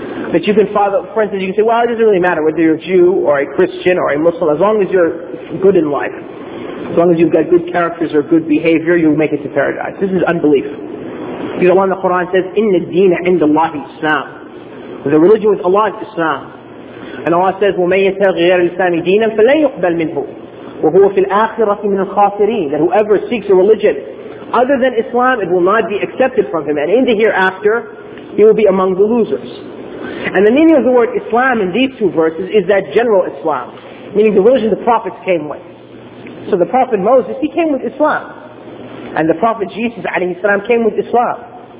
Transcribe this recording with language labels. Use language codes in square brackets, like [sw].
[en] But you can follow, for instance, you can say, well, it doesn't really matter whether you're a Jew or a Christian or a Muslim, as long as you're good in life, as long as you've got good characters or good behavior, you'll make it to paradise. This is unbelief. Because Allah in the Quran says, [ar] إِنَّ الدِّينَ عِنْدَ اللَّهِ إِسْلَامِ. [en] The religion with Allah is Islam. And Allah says, [ar] وَمَنْ يَتَغْ غِيَرِ الْإِسْلَامِ دِينًا فَلَنْ يُقْبَلْ مِنْهُ وَهُوَ فِي الْآخِرَةِ مِنَ الْخَاسِرِينَ. [en] That whoever seeks a religion other than Islam, it will not be accepted from him. And in the hereafter, he will be among the losers. And the meaning of the word Islam in these two verses is that general Islam, meaning the religion the prophets came with. So the prophet Moses, he came with Islam. And the prophet Jesus, alayhi salam, came with Islam.